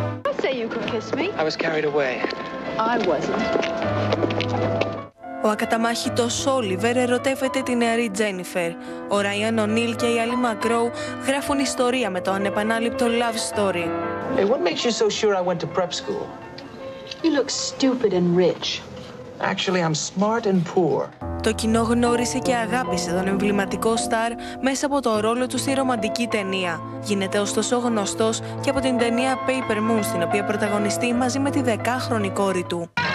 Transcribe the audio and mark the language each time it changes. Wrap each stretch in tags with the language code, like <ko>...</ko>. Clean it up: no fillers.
<en>I say you could kiss me. I was carried away. I wasn't.</en> <el>Ο ακαταμάχητος Όλιβερ ερωτεύεται την νεαρή Τζένιφερ. Ο Ράιαν Ονίλ και η Άλλη Μακρόου γράφουν ιστορία με το ανεπανάληπτο love story.</el> <en>Hey, what makes you so sure I went to prep school? You look stupid and rich. Actually, I'm smart and poor.</en> <el>Το κοινό γνώρισε και αγάπησε τον εμβληματικό στάρ μέσα από το ρόλο του στη ρομαντική ταινία. Γίνεται ωστόσο γνωστός και από την ταινία Paper Moon, στην οποία πρωταγωνιστεί μαζί με τη 10χρονη κόρη του.</el>